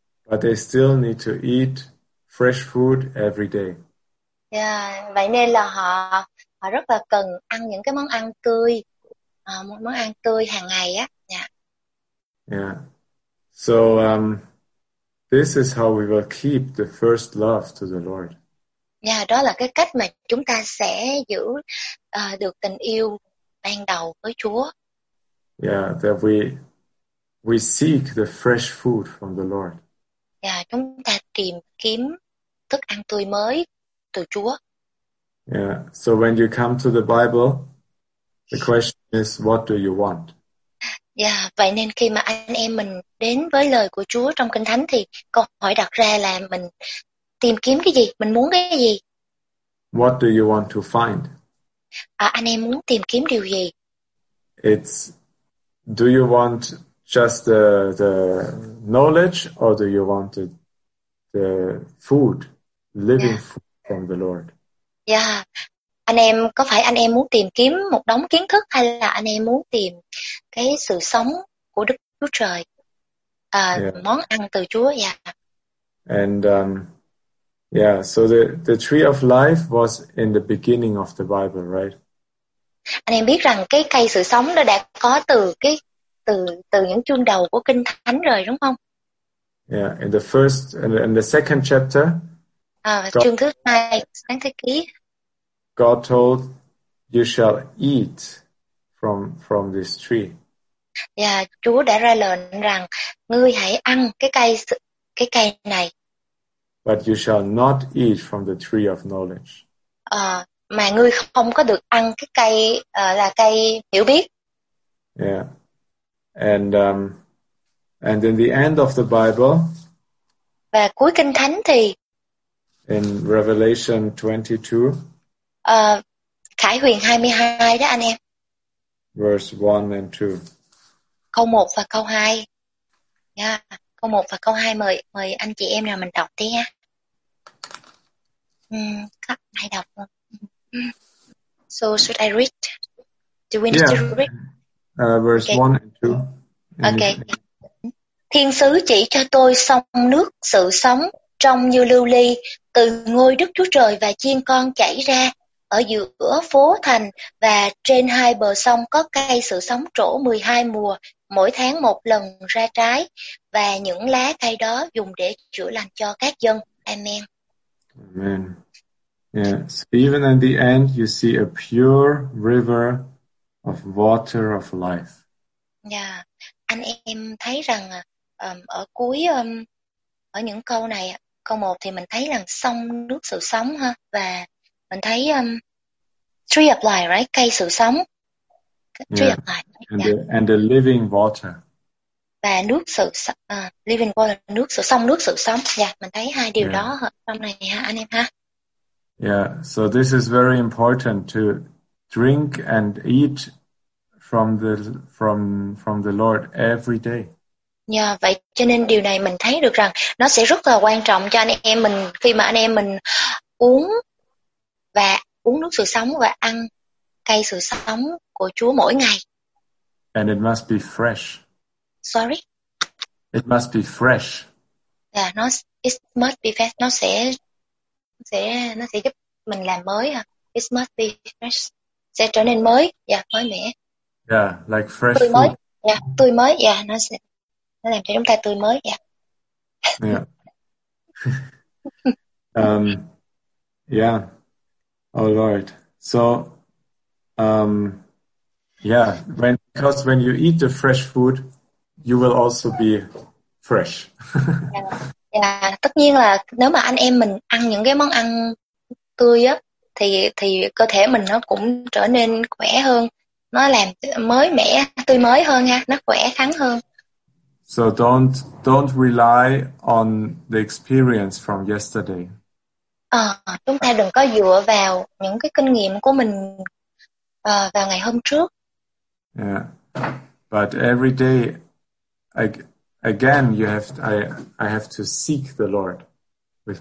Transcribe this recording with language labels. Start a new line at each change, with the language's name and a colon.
English: But they still need to eat fresh food every day.
Vietnamese: Yeah, vậy nên là họ họ rất là cần ăn những cái món ăn tươi, món ăn tươi hàng ngày á. Yeah. Yeah.
English: So this is how we will keep the first love to the Lord.
Vietnamese: Yeah, đó là cái cách mà chúng ta sẽ giữ được tình yêu ban đầu với Chúa.
English: Yeah, that we seek the fresh food from the Lord.
Vietnamese: Yeah, chúng ta tìm kiếm thức ăn tươi mới từ Chúa.
English: Yeah, so when you come to the Bible, the question is, what do you want?
Vietnamese: Yeah, vậy nên khi mà anh em mình đến với lời của Chúa trong Kinh Thánh thì câu hỏi đặt ra là mình tìm kiếm cái gì? Mình muốn cái gì?
English: What do you want to find?
Vietnamese: Anh em muốn tìm kiếm điều gì?
English: It's do you want just the knowledge or do you want the food, living food from the Lord? Yeah.
Vietnamese: Anh em có phải anh em muốn tìm kiếm một đống kiến thức hay là anh em muốn tìm cái sự sống của Đức Chúa Trời? Món ăn từ Chúa.
English: And so the tree of life was in the beginning of the Bible, right?
Vietnamese: Anh em biết rằng cái cây sự sống nó đã có từ cái từ những chương đầu của Kinh Thánh rồi đúng không?
English: Yeah, in the first and the second chapter.
Vietnamese: Chương thứ hai, Sáng Thế Ký.
English: God told you shall eat from this tree.
Vietnamese: Yeah, Chúa đã ra lệnh rằng ngươi hãy ăn cái cây này.
English: But you shall not eat from the tree of knowledge.
Vietnamese: Mà ngươi không có được ăn cái cây là cây hiểu biết.
English: Yeah. And in the end of the Bible.
Vietnamese: Và cuối Kinh Thánh thì
English: in Revelation 22.
Vietnamese: Khải Huyền 22 đó anh em.
English: Verse 1 and 2.
Vietnamese: Câu 1 và câu 2. Yeah. Câu 1 và câu 2 mời anh chị em nào mình đọc đi nha. Các ai đọc không?
English: So should I read? Do we need to read? Verse 1 and 2. Okay.
Vietnamese: Thiên sứ chỉ cho tôi sông nước sự sống trong như lưu ly từ ngôi Đức Chúa Trời và chiên con chảy ra ở giữa phố thành và trên hai bờ sông có cây sự sống trổ 12 mùa mỗi tháng một lần ra trái và những lá cây đó dùng để chữa lành cho các dân. Amen. Amen. Yeah.
English: So even in the end, you see a pure river of water of life. Yeah.
Vietnamese: Anh em thấy rằng ở cuối ở những câu này, câu 1 thì mình thấy là sông nước sự sống ha, và mình thấy
English: tree of life, right?
Vietnamese: Cây sự sống.
English: Tree of life. And the living water.
Vietnamese: Và nước sự
English: living water,
Vietnamese: nước sự sông, nước sự sống. Yeah, mình thấy hai điều đó trong này ha anh em ha.
English: Yeah, so this is very important to drink and eat from the Lord every day.
Vietnamese: Yeah, vậy cho nên điều này mình thấy được rằng nó sẽ rất là quan trọng cho anh em mình khi mà anh em mình uống nước sự sống và ăn cây sự sống của Chúa mỗi ngày.
English: And it must be fresh. Sorry. It must be fresh.
Vietnamese: Yeah, nó sẽ giúp mình làm mới à.
English: It must be fresh.
Vietnamese: Sẽ trở nên mới, mới mẻ.
English: Yeah, like fresh.
Vietnamese: Tươi mới. Yeah, tươi mới. Yeah, nó làm cho chúng ta tươi mới. Yeah.
English: Yeah. yeah. Oh Lord. So because when you eat the fresh food, you will also be fresh.
Vietnamese: Tất nhiên là nếu mà anh em mình ăn những cái món ăn tươi á, thì cơ thể mình nó cũng trở nên khỏe hơn, nó làm mới mẻ, tươi mới hơn ha, nó khỏe khắn hơn.
English: So don't rely on the experience from yesterday.
Vietnamese: Chúng ta đừng có dựa vào những cái kinh nghiệm của mình vào ngày hôm trước. Yeah.
English: But every day again you have to, I have to seek the Lord with